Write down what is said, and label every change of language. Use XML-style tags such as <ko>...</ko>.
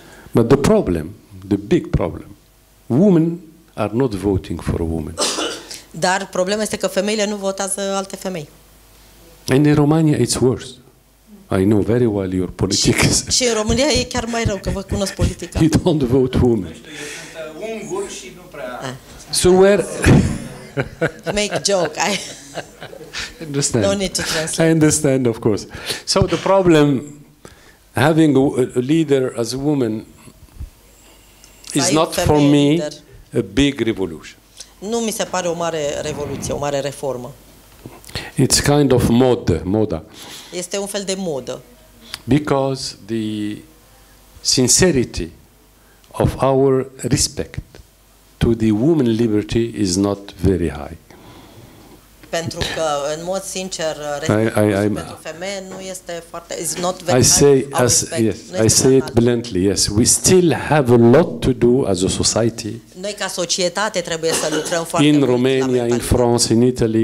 <en>But the problem, the big problem, women are not voting for women.</en> <ro>Dar problema este că femeile nu votează alte femei.</ro> <en>And in Romania it's worse. I know very well your politics.</en> <ro>Și în România e chiar mai rău, că vă cunosc politica.</ro> <en>You don't vote women. So where... Make joke. I understand. No need to translate. I understand, of course. So the problem having a leader as a woman is not for me a big revolution.</en> <ro>Nu mi se pare o mare revoluție, o mare reformă.</ro> <en>It's kind of moda.</en> <ro>Este un fel de modă.</ro> <en>Because the sincerity of our respect to the woman liberty is not very high.</en> <ro>Pentru că în mod sincer respectul pentru femeie nu este foarte,</ro> <en>is not very high. I say it bluntly, yes. We still have a lot to do as a society.</en> <ro>Noi ca societate trebuie să lucrăm foarte mult.</ro> <en>In Romania, in France, in Italy.</en>